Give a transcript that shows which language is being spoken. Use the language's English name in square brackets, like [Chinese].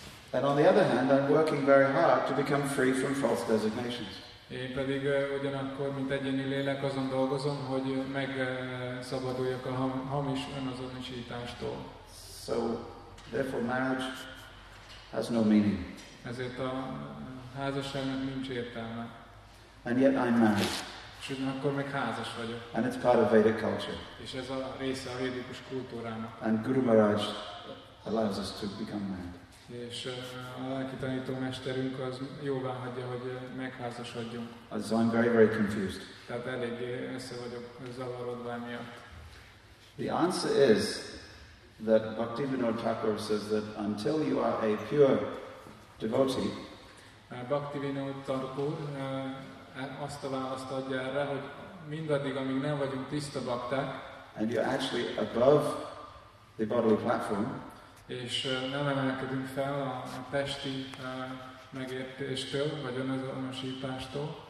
[English] And on the other hand, I'm working very hard to become free from false designations. [Hungarian] Én pedig ugyanakkor, mint egyéni lélek, azon dolgozom, hogy megszabaduljak a hamis önazonosítástól. [English] So, therefore marriage has no meaning. [Hungarian] Ezért a házasságnak nincs értelme. [English] And yet I'm married. [Hungarian] Akkor meg házas vagyok. [English] And it's part of Vedic culture. [Hungarian] És ez a része a védikus kultúrának. [English] And Guru Maharaj allows us to become married. [Hungarian] És a lelki tanító mesterünk az jóvá hagyja, hogy megházasodjunk. [English] So I'm very, very confused. [Hungarian] Tehát elég össze vagyok zavarodva miatt. [English] The answer is that Bhaktivinoda Thakur says that until you are a pure devotee, [Hungarian] Bhaktivinoda Thakur azt a választ adja erre, hogy mindaddig, amíg nem vagyunk tiszta bakták, [English] and you're actually above the bodily platform, [Hungarian] és nem emelkedünk fel a testi megértéstől, vagy önazonosítástól,